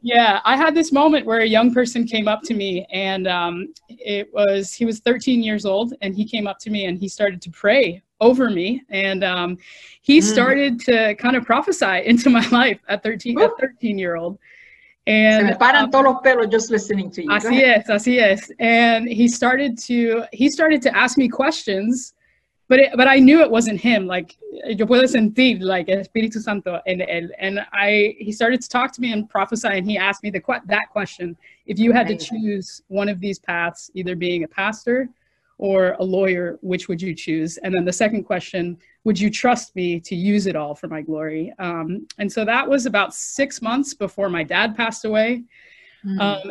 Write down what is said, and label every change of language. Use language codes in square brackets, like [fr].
[en] Yeah, I had this moment where a young person came up to me, and he was 13 years old, and he came up to me and he started to pray over me, and he started to kind of prophesy into my life at 13, a 13-year-old. And [es] se me paran todos los pelos [en] just listening to you. [es] Así es. [en] And he started to ask me questions, but I knew it wasn't him. Like, [es] yo puedo sentir like Espíritu Santo en él. [en] And he started to talk to me and prophesy, and he asked me that question: if you had to choose one of these paths, either being a pastor or a lawyer, which would you choose? And then the second question, would you trust me to use it all for my glory? And so that was about 6 months before my dad passed away. Mm-hmm.